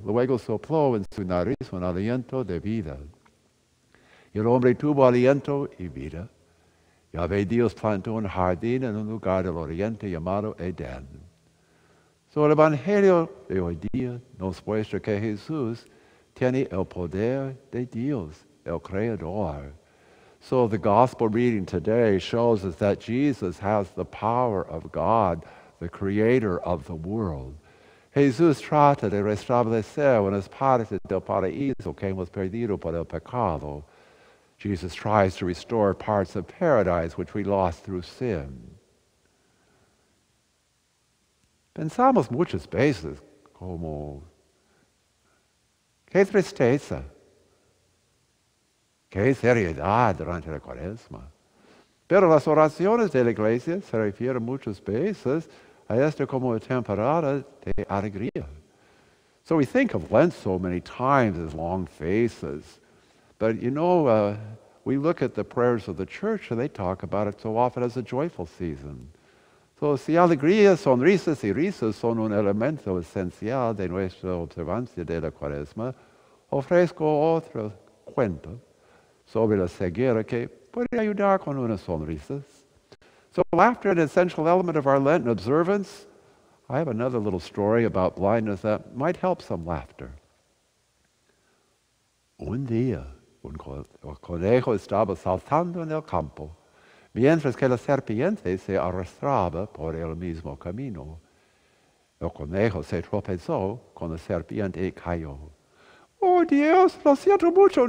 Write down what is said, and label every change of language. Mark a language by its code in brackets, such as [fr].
[es] Luego sopló en su nariz un aliento de vida. Y el hombre tuvo aliento y vida. Yahvé Dios plantó un jardín en un lugar del oriente llamado Edén. So el Evangelio de hoy día nos muestra que Jesús tiene el poder de Dios, el Creador. [en] So the gospel reading today shows us that Jesus has the power of God, the creator of the world. [es] Jesús trata de restablecer unas partes del paraíso que hemos perdido por el pecado. [en] Jesus tries to restore parts of paradise which we lost through sin. [es] Pensamos muchas veces como, qué tristeza, qué seriedad durante la cuaresma. Pero las oraciones de la iglesia se refieren muchas veces a esta como una temporada de alegría. [en] So we think of Lent so many times as long faces. But, you know, we look at the prayers of the church and they talk about it so often as a joyful season. [es] So, si alegría, sonrisas y risas son un elemento esencial de nuestra observancia de la cuaresma, ofrezco otro cuento sobre la ceguera que puede ayudar con unas sonrisas. [en] So, laughter, an essential element of our Lenten observance, I have another little story about blindness that might help some laughter. [es] Un día, un conejo estaba saltando en el campo, mientras que la serpiente se arrastraba por el mismo camino. El conejo se tropezó con la serpiente y cayó. ¡Oh, Dios! Lo siento mucho.